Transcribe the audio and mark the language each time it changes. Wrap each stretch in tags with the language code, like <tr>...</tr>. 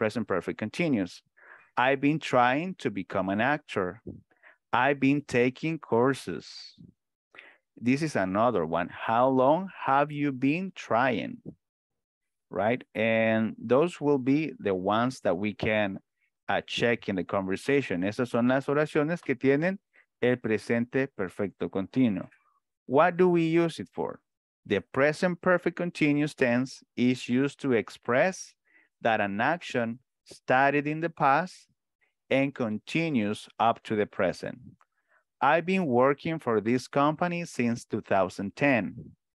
<en>Present perfect continuous. I've been trying to become an actor. I've been taking courses. This is another one. How long have you been trying? Right? And those will be the ones that we can check in the conversation.</en> <es>Esas son las oraciones que tienen el presente perfecto continuo.</es> <en>What do we use it for? The present perfect continuous tense is used to express that an action started in the past and continues up to the present. I've been working for this company since 2010.</en>